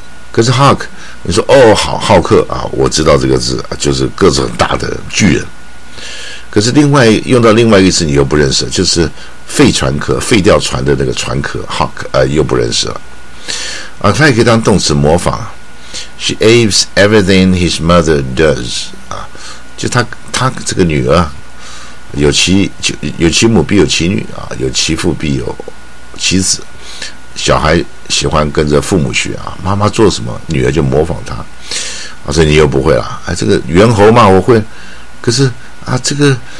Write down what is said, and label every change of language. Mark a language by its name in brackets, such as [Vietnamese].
[Chinese] 可是 Hulk， 你说哦，好，浩克啊，我知道这个字，就是个子很大的巨人。可是另外用到另外一个词，你又不认识，就是。废船壳，废掉船的那个船壳 ，Hulk， 又不认识了。啊，它也可以当动词模仿。 [English] She apes everything his mother does。 [Chinese] 啊，就他这个女儿，有其母必有其女啊，有其父必有其子。小孩喜欢跟着父母学啊，妈妈做什么，女儿就模仿她。啊，所以你又不会了。哎，这个猿猴嘛，我会。可是啊，这个。